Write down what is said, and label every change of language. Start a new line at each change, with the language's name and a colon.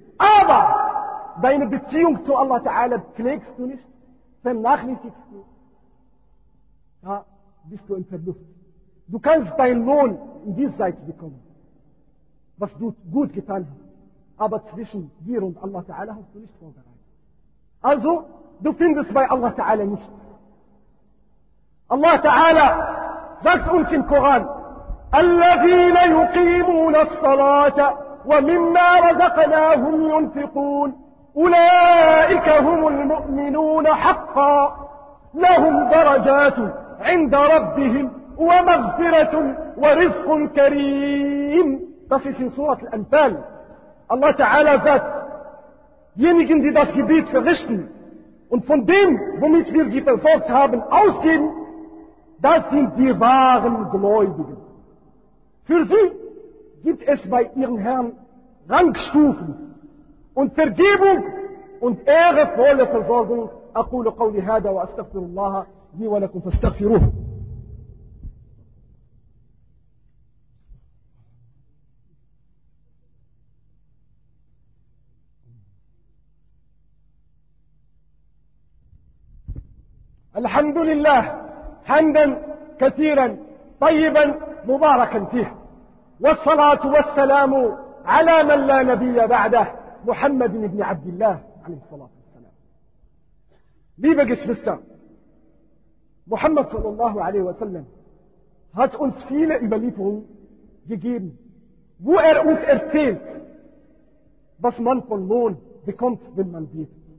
German: Aber deine Beziehung zu Allah Ta'ala pflegst du nicht, vernachlässigst du, da bist du in Verlust. Du kannst deinen Lohn in diese Seite bekommen, was du gut getan hast. Aber zwischen dir und Allah Ta'ala hast du nicht vorbereitet. Also, du findest bei Allah Ta'ala nichts. Allah Ta'ala sagt uns im Koran,
Arabic: الَّذِينَ يُقِيمُونَ الصَّلَاةَ وَمِمَّا رَزَقْنَاهُمْ يُنْفِقُونَ أولئك هم المؤمنون حقا لهم درجات عند ربهم ومغفرة ورزق كريم.
German: Das ist in Surat al-Anfal. Allah Ta'ala sagt, diejenigen, die das Gebet verrichten und von dem, womit wir sie versorgt haben, ausgehen, das sind die wahren Gläubigen. Für sie gibt es bei ihren Herrn Rangstufen und Vergebung und ehrevolle Versorgung.
Arabic: أقول قولي هذا وأستغفر الله لي ولكم فاستغفروه. الحمد لله حمدا كثيرا طيبا مباركا فيه والصلاة والسلام على من لا نبي بعده محمد بن عبد الله عليه الصلاة والسلام.
German: Liebe Geschwister, Muhammad sallallahu alaihi wasallam hat uns viele Überlieferungen gegeben, wo er uns erzählt, was man von Lohn bekommt, wenn man betet.